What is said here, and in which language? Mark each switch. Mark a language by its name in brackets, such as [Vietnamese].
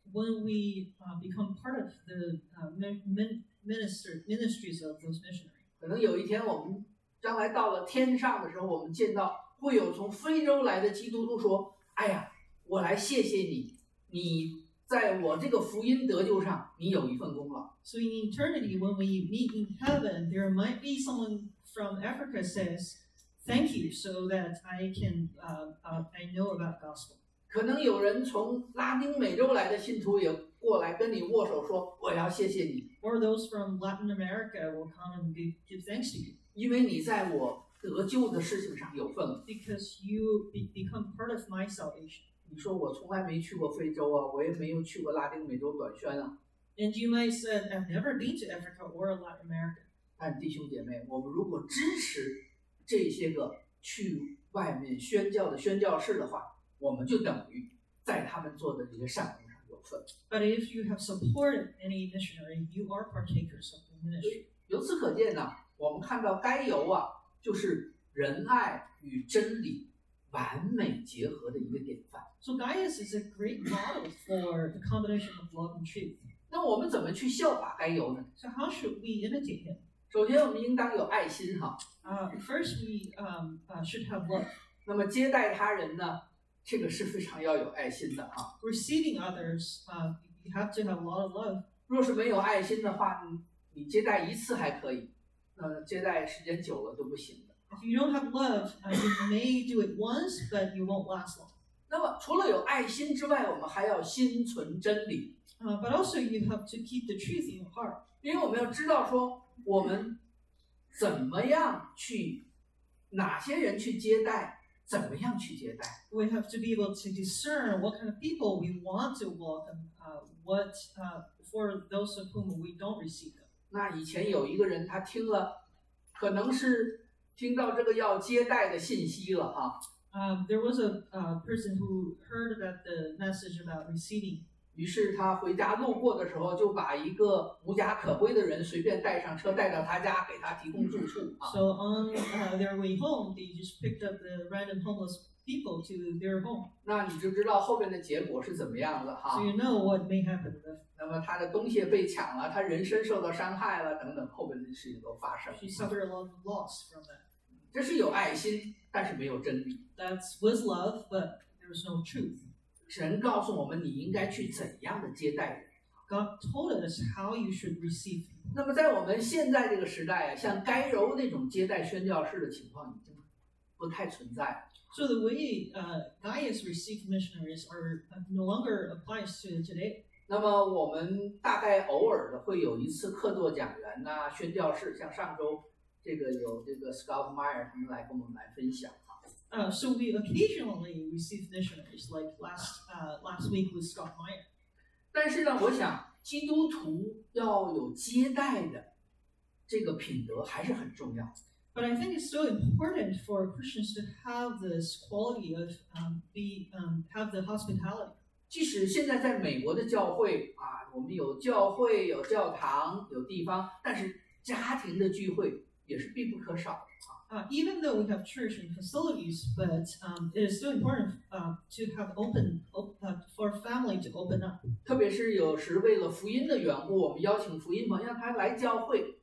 [English] When we become part of the ministries of those missionaries [Chinese] 可能有一天我们将来到了天上的时候，我们见到会有从非洲来的基督徒说：“哎呀，我来谢谢你，你在我这个福音得救上，你有一份功劳。” [English] So in eternity, when we meet in heaven, there might be someone from Africa says, "Thank you, so that I can I know about gospel." [Chinese] 可能有人从拉丁美洲来的信徒也过来跟你握手说：“我要谢谢你。” [English] Or those from Latin America will come and give thanks to you. [Chinese] 因为你在我得救的事情上有份。 [English] Because you become part of my salvation. [Chinese] 你说我从来没去过非洲啊，我也没有去过拉丁美洲短宣啊。 [English] And you might say I've never been to Africa or Latin America. [Chinese] 但弟兄姐妹，我们如果支持这些个去外面宣教的宣教士的话，我们就等于在他们做的这些善工上有份。 [English] But if you have supported any missionary, you are partakers of the ministry. [Chinese] 由此可见呢、啊。我们看到该由啊，就是仁爱与真理完美结合的一个典范。 [English] So Gaius is a great model for the combination of love and truth. [Chinese] 那我们怎么去效法该由呢 [English] ？So how should we imitate him? [Chinese] 首先，我们应当有爱心哈。 [English] First we should have love. [Chinese] 那么接待他人呢，这个是非常要有爱心的啊。 [English] Receiving others, you have to have a lot of love. [Chinese] 若是没有爱心的话，你接待一次还可以，那接待时间久了都不行的。 [English] If you don't have love, you may do it once, but you won't last long. [Chinese] 那么除了有爱心之外，我们还要心存真理。 [English] But also you have to keep the truth in your heart. [Chinese] 因为我们要知道说我们怎么样去，哪些人去接待，怎么样去接待。 [English] We have to be able to discern what kind of people we want to welcome, for those of whom we don't receive them. [Chinese] 那以前有一个人他听了，可能是听到这个要接待的信息了哈。 [English] There was a person who heard about the message about receiving. [Chinese] 于是他回家路过的时候，就把一个无家可归的人随便带上车，带到他家，给他提供住处。 [English] So on their way home, they just picked up the random homeless people to their home. [Chinese] 那你就知道后面的结果是怎么样的哈。 [English] So you know what may happen. [Chinese] 那么他的东西被抢了，他人身受到伤害了，等等，后面的事情都发生。 [English] She suffered a lot of loss from that. [Chinese] 这是有爱心，但是没有真理。 [English] That's with love, but there's no truth. [Chinese] 神告诉我们，你应该去怎样的接待人。 [English] God told us how you should receive. [Chinese] 那么在我们现在这个时代啊，像该柔那种接待宣教士的情况已经不太存在。 [English] So the way Gaius received missionaries are no longer applies to today. [Chinese] 那么我们大概偶尔的会有一次客座讲员呐、宣教士，像上周这个有这个 Scott Meyer 他们来跟我们来分享啊。 [English] So we occasionally receive missionaries like last week with Scott Meyer. [Chinese] 但是呢，我想基督徒要有接待的这个品德还是很重要。 [English] But I think it's so important for Christians to have this quality of have the hospitality. [Chinese] 即使现在在美国的教会啊，我们有教会、有教堂、有地方，但是家庭的聚会也是必不可少的啊。 [English] Even though we have church and facilities, but it is so important to have for family to open up. [Chinese] 特别是有时为了福音的缘故，我们邀请福音朋友他来教会。